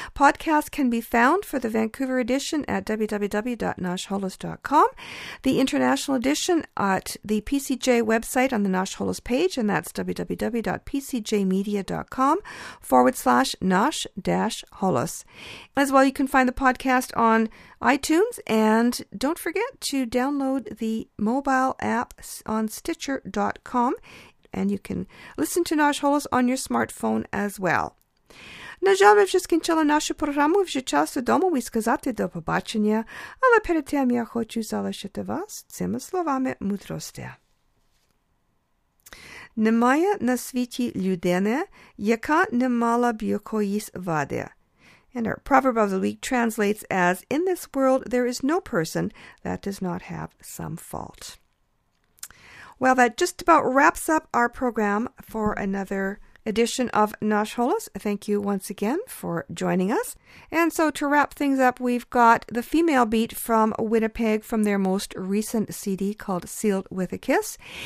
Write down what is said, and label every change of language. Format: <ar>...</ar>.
<en>Podcasts can be found for the Vancouver edition at www.nashholos.com, the international edition at the PCJ website on the Nash Holos page, and that's www.pcjmedia.com/Nash-Holos. As well, you can find the podcast on iTunes, and don't forget to download the mobile app on Stitcher.com, and you can listen to Nash Holos on your smartphone as well.</en> <uk>На жаль, ми вже скінчили нашу програму, вже час дому і сказати до побачення, але перед тим я хочу залишити вас цими словами мудрості. Немає на світі людини, яка не мала б якоїсь вади.</uk> <en>And our proverb of the week translates as, in this world, there is no person that does not have some fault. Well, that just about wraps up our program for another edition of Nash Holos. Thank you once again for joining us. And so to wrap things up, we've got the female beat from Winnipeg from their most recent CD called Sealed with a Kiss.</en>